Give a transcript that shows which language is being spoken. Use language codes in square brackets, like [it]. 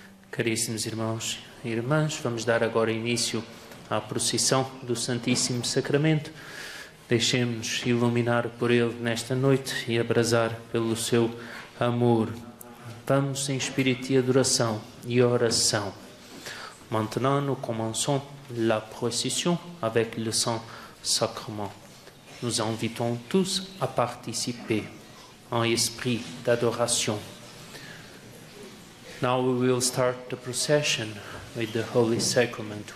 [pt] Caríssimos irmãos e irmãs, vamos dar agora início à procissão do Santíssimo Sacramento. Deixemos-nos iluminar por ele nesta noite e abrasar pelo seu amor. Vamos em espírito de adoração e oração. [fr] Maintenant, nous commençons la procession avec le Saint-Sacrement. Nous invitons tous à participer en esprit d'adoration. [en] Now we will start the procession with the Holy Sacrament.